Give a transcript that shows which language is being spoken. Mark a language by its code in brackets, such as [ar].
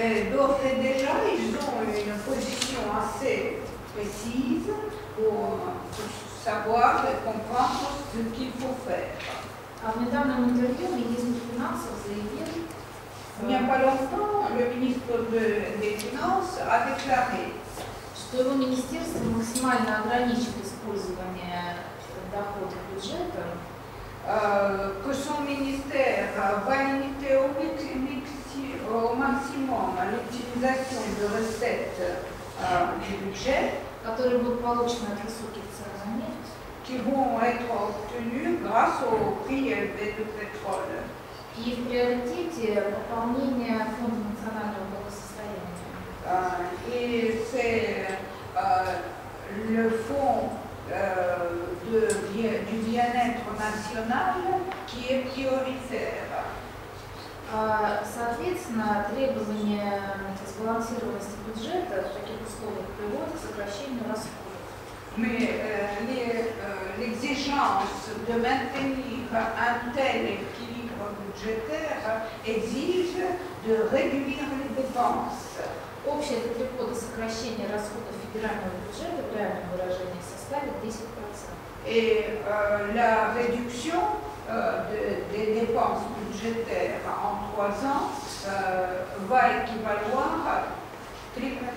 [fr] d'ores et déjà, ils ont une position assez précise pour savoir et comprendre ce qu'il faut faire. [ru] В недавнем интервью министр финансов заявил, не так давно министр финансов ответил, что его министерство максимально ограничит использование дохода бюджета, [fr] que son ministère va limiter au maximum l'utilisation de recettes du budget, [ru] которые будут получены от высоких цен на нефть. [fr] Qui vont être obtenus grâce au prix élevé du pétrole. [ru] И в приоритете пополнение фонда национального благосостояния. [fr] Le fonds du bien-être national qui est prioritaire. [ru] Соответственно, требования сбалансированности бюджета в таких условиях приводят к сокращению расходов. [fr] Mais l'exigence de maintenir un tel équilibre budgétaire exige de réduire les dépenses. [ru] Общее требование для сокращения расходов федерального бюджета, правильное выражение, составит 10%. [fr] Et la réduction des dépenses budgétaires en 3 ans va équivaloir à